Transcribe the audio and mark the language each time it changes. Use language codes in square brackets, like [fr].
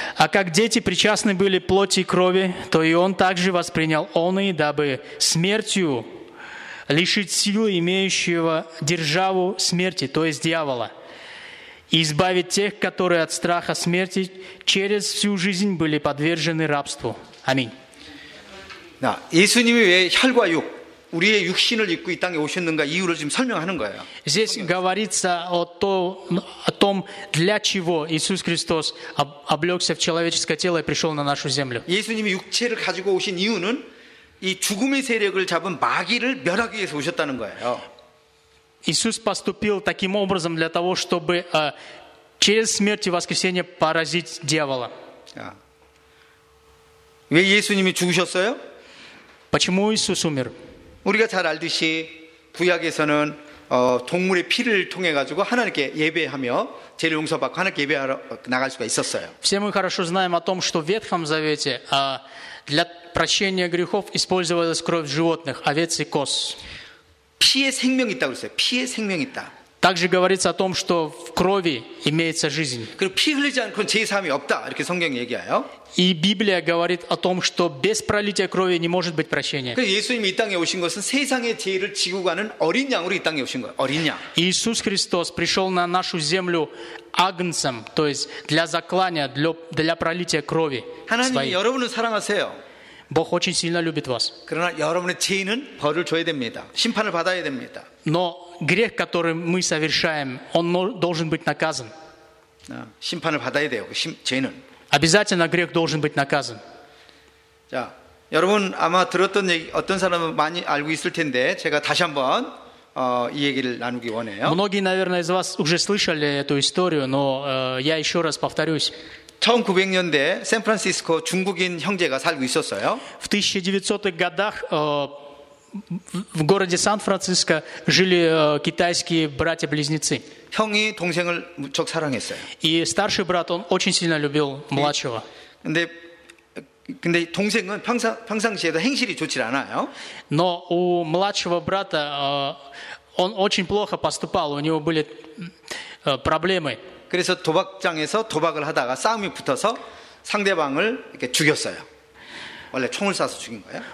[ru] «А как дети причастны были плоти и крови, то и он также воспринял оные, дабы смертью лишить силы имеющего державу смерти, то есть дьявола, и избавить тех, которые от страха смерти через всю жизнь были подвержены рабству». Аминь. [ko] Да, 예수님이 왜 혈과 육, 우리의 육신을 입고 이 땅에 오셨는가 이유를 지금 설명하는 거예요. [ru] Здесь говорится о том, для чего Иисус Христос облёкся в человеческое тело и пришёл на нашу землю. [ko] 예수님이 육체를 가지고 오신 이유는 이 죽음의 세력을 잡은 마귀를 멸하기 위해서 오셨다는 거예요. [ru] Иисус поступил таким образом для того, чтобы через смерть и воскресение поразить дьявола. [ko] 왜 예수님이 죽으셨어요? [ru] Почему Иисус умер? [ko] 우리가 잘 알듯이 구약에서는 동물의 피를 통해 가지고 하나님께 예배하며 죄를 용서받고 하나님께 예배하러 나갈 수가 있었어요. [ru] Все мы хорошо знаем о том, что в Ветхом Завете для прощения грехов использовалась кровь животных, овец и коз. [ko] 피에 생명이 있다고 했어요. 피에 생명이 있다. [ru] Также говорится о том, что в крови имеется жизнь. [ko] 그리고 피 흘리지 않고는 죄사함이 없다. 이렇게 성경이 얘기해요. [ru] И Библия говорит о том, что без пролития крови не может быть прощения. [ko] 그 예수님이 이 땅에 오신 것은 세상의 죄를 지고 가는 어린 양으로 이 땅에 오신 거예요. 어린 양. [ru] Иисус Христос пришёл на нашу землю агнцем, то есть для заклания, для пролития крови. [ko] 하나님이 여러분을 사랑하세요. [ru] Бог очень сильно любит вас. [ko] 그러나 여러분의 죄는 벌을 줘야 됩니다. 심판을 받아야 됩니다. [ru] Но грех, который мы совершаем, он должен быть наказан. [ko] 심판을 받아야 돼요. 죄는. [ru] Обязательно грех должен быть наказан. [ko] 자, 여러분 아마 들었던 얘기 어떤 사람은 많이 알고 있을 텐데 제가 다시 한번 이 얘기를 나누기 원해요. [ru] Многие, наверное, из вас уже слышали эту историю, но я еще раз повторюсь. [ko] 1900년대 샌프란시스코 중국인 형제가 살고 있었어요. [ru] В 1900-х годах в городе Сан-Франциско жили китайские братья-близнецы. [ko] 형이 동생을 무척 사랑했어요. [ru] И старший брат он очень сильно любил младшего. [ko] 근데 동생은 평상시에도 행실이 좋지 않아요. [ru] Но у младшего брата он очень плохо поступал. У него были проблемы. [ko] 그래서 도박장에서 도박을 하다가 싸움이 붙어서 상대방을 이렇게 죽였어요. 원래 총을 쏴서 죽인 거예요.